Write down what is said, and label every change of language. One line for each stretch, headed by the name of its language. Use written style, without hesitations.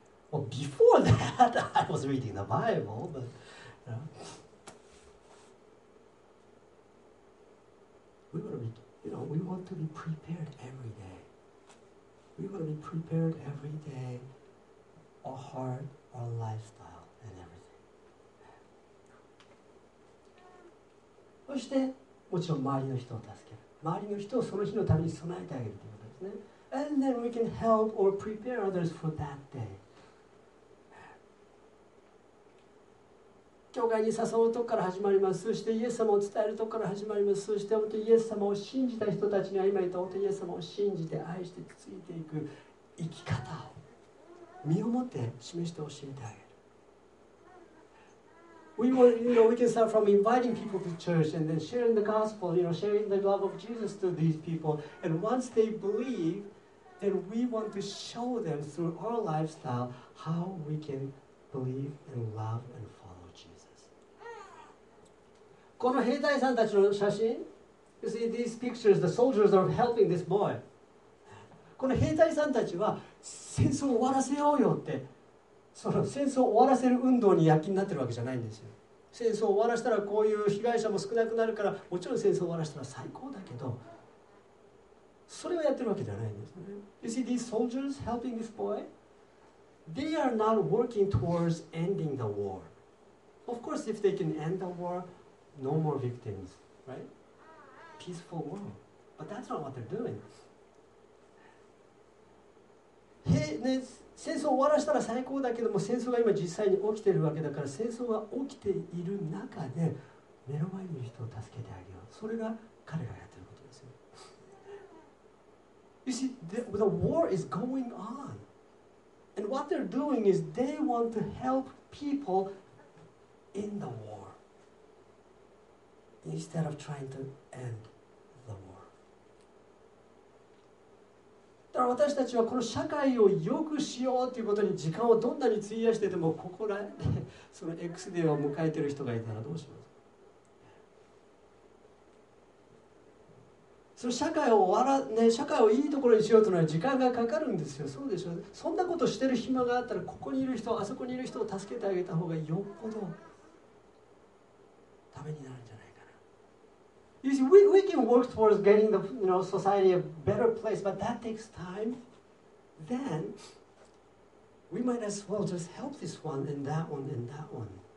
English: Well, before that, I was reading the Bible, but, we want to be, you know, we want to be prepared every day. We want to be prepared every day, our heart, our lifestyle, and everything.
Japanese: そしてもちろん周りの人を助ける。周りの人をその日のために備えてあげるということですね。
English: And then we can help or prepare others for that day.
Japanese: 教会に誘うとこから始まります。そしてイエス様を伝えるとこから始まります。そして本当にイエス様を信じた人たちが今言った本当にイエス様を信じて愛してついていく生き方を身をもって示して教えてあげる。
English: We want, you know, we can start from inviting people to church and then sharing the gospel, you know, sharing the love of Jesus to these people. And once they believe, then we want to show them through our lifestyle how we can believe and love and follow Jesus.
Japanese: この兵隊さんたちの写真、
English: you see these pictures, the soldiers are helping this boy.
Japanese: この兵隊さんたちは戦争を終わらせようよって、その戦争を終わらせる運動に躍起になってるわけじゃないんですよ。戦争を終わらせたらこういう被害者も少なくなるから、もちろん戦争を終わらせたら最高だけど、それをやってるわけじゃないんですね。
English: You see these soldiers helping this boy? They are not working towards ending the war. Of course, if they can end the war, no more victims, right? Peaceful world. But that's not what they're doing.
Japanese: ね、戦争を終わらせたら最高だけども、戦争が今実際に起きているわけだから、戦争が起きている中で目の前にいる人を助けてあげよう。それが彼がやってることですよ。
English: You see, the war is going on. And what they're doing is they want to help people in the war. Instead of trying to end the war.
Japanese: だから私たちはこの社会を良くしようということに時間をどんなに費やしてても、ここらでその X デーを迎えてる人がいたらどうします？その社会を笑、ね、社会をいいところにしようというのは時間がかかるんですよ。そうでしょう。そんなことしてる暇があったら、ここにいる人、あそこにいる人を助けてあげた方がよっぽどためになるんじゃないかな。
English: You see, we can work towards getting the, you know, society a better place, but that takes time. Then, we might as well just help this one and that one and that one.